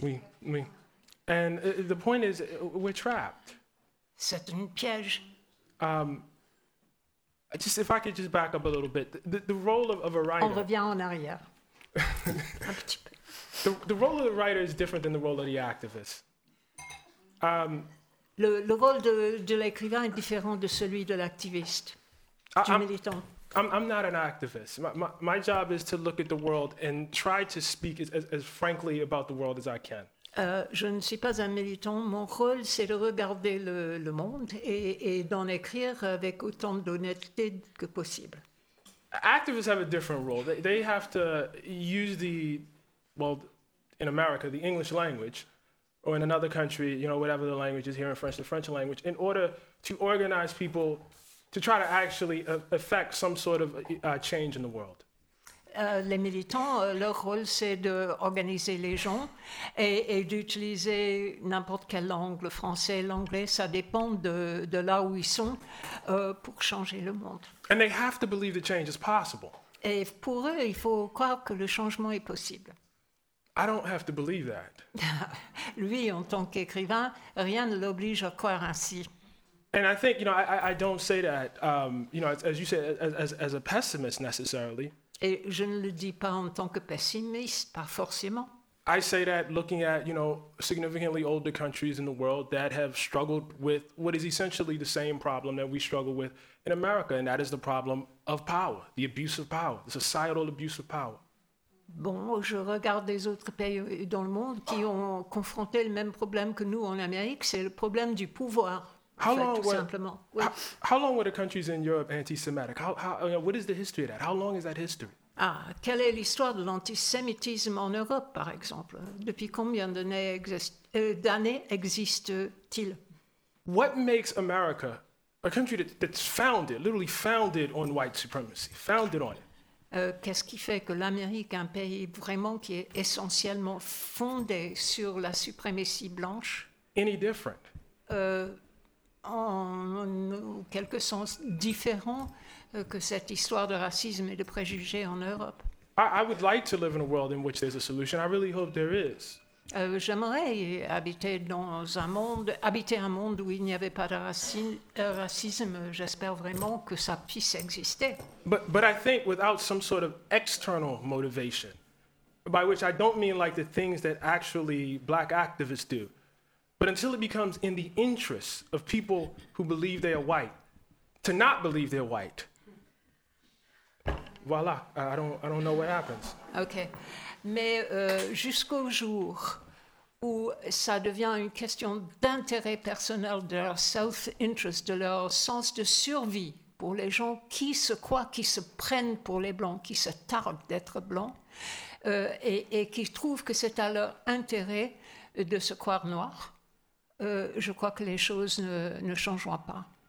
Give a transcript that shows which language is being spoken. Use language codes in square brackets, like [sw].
[en] Oui. And the point is, we're trapped. [fr] C'est un piège. [en] If I could just back up a little bit. The role of a writer... [fr] On revient en arrière. Un petit peu. [en] The role of the writer is different than the role of the activist. [fr] Le rôle de l'écrivain est différent de celui de l'activiste, militant. [en] I'm not an activist. My job is to look at the world and try to speak as frankly about the world as I can. [fr] Je ne suis pas un militant. Mon rôle, c'est de regarder le monde et d'en écrire avec autant d'honnêteté que possible. [en] Activists have a different role. They have to use in America, the English language, or in another country, you know, whatever the language is here in French, the French language, in order to organize people to try to actually affect some sort of change in the world. [fr] Les militants, leur rôle, c'est d'organiser les gens et d'utiliser n'importe quelle langue, le français, l'anglais, ça dépend de là où ils sont, pour changer le monde. [en] And they have to believe the change is possible. [fr] Et pour eux, il faut croire que le changement est possible. [en] I don't have to believe that. [fr] Lui, en tant qu'écrivain, rien ne l'oblige à croire ainsi. [en] And I think, you know, I don't say that, you know, as you say, as a pessimist necessarily. [fr] Et je ne le dis pas en tant que pessimiste, pas forcément. [en] I say that looking at, you know, significantly older countries in the world that have struggled with what is essentially the same problem that we struggle with in America, and that is the problem of power, the abuse of power, the societal abuse of power. [fr] Bon, je regarde des autres pays dans le monde qui ont confronté le même problème que nous en Amérique, c'est le problème du pouvoir, simplement. Oui. [en] How long were the countries in Europe anti-Semitic? What is the history of that? How long is that history? [fr] Ah, quelle est l'histoire de l'antisémitisme en Europe, par exemple? Depuis combien d'années existe-t-il? [en] What makes America a country that's founded, literally founded on white supremacy, founded on it? [fr] Qu'est-ce qui fait que l'Amérique est un pays vraiment qui est essentiellement fondé sur la suprématie blanche? [en] Any different? [fr] En quelque sens différent que cette histoire de racisme et de préjugés en Europe. [en] I would like to live in a world in which there's a solution. I really hope there is. [fr] J'aimerais habiter un monde où il n'y avait pas de racisme. J'espère vraiment que ça puisse exister. [en] But I think without some sort of external motivation, by which I don't mean like the things that actually black activists do, but until it becomes in the interest of people who believe they are white to not believe they're white, voilà, I don't know what happens. Okay. [fr] Mais jusqu'au jour où ça devient une question d'intérêt personnel, de leur self-interest, de leur sens de survie pour les gens qui se croient, qui se prennent pour les blancs, qui se targuent d'être blancs et qui trouvent que c'est à leur intérêt de se croire noir, je crois que les choses ne changeront pas.